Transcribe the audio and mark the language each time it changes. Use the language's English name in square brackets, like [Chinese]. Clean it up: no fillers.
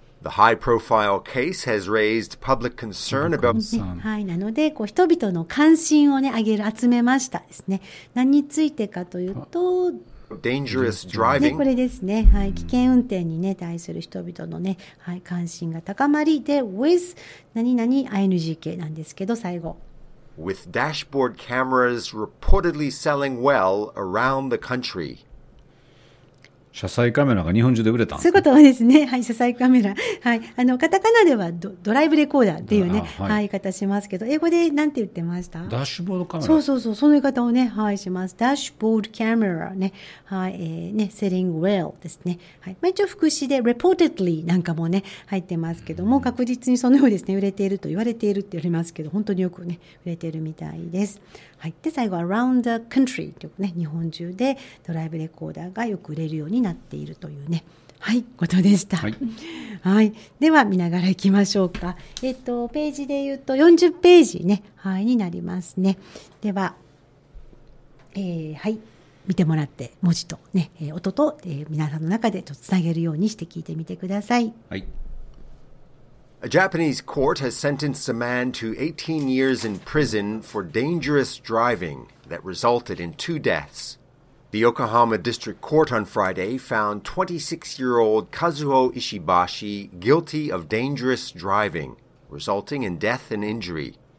[English] The high-profile case has raised public concern about some. [Japanese] はい、なのでこう人々の関心をね上げる集めましたですね。何についてかというと、 [English] dangerous driving。 [Japanese] ね、これですね。はい、危険運転にね対する人々のねはい関心が高まりで with 何々 ingなんですけど最後。 [English] With dashboard cameras reportedly selling well around the country。 [Japanese] 車載カメラが日本中で売れたんですね。そういうことはですね。はい、車載カメラ。はい。あの、カタカナでは ドライブレコーダーっていうね、はい、言い方しますけど、英語で何て言ってました？ [English] ダッシュボードカメラ。 [Japanese] そうそうそう、その言い方をね、はい、します。ダッシュボードカメラね。はい、ね、セリングウェルですね。はい。まあ、一応、副詞で、reportedly なんかもね、入ってますけども、確実にそのようですね、売れていると言われているって言われますけど、本当によくね、売れているみたいです。はい。で、最後、 [English] around the country [Japanese] っていうね、日本中でドライブレコーダーがよく売れるようになっているというね、はい、ことでした。はい。はい、では、見ながら行きましょうか。ページで言うと、40ページね、はい、になりますね。では、はい、見てもらって、文字とね、音と、皆さんの中でちょっとつなげるようにして聞いてみてください。はい。 [English] A Japanese court has sentenced a man to 18 years in prison for dangerous driving that resulted in two deaths. The Yokohama District Court on Friday found 26-year-old Kazuo Ishibashi guilty of dangerous driving, resulting in death and injury.